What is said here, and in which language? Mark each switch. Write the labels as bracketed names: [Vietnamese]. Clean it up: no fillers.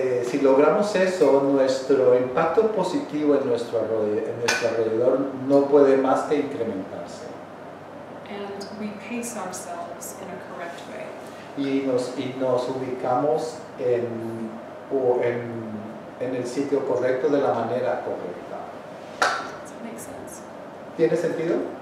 [Spanish] Si logramos eso, nuestro impacto positivo en nuestro alrededor no puede más que incrementarse. [English] And we pace ourselves in a correct way. [Spanish] Y nos ubicamos en el sitio correcto de la manera correcta. [English] Does that make sense? [Spanish] ¿Tiene sentido?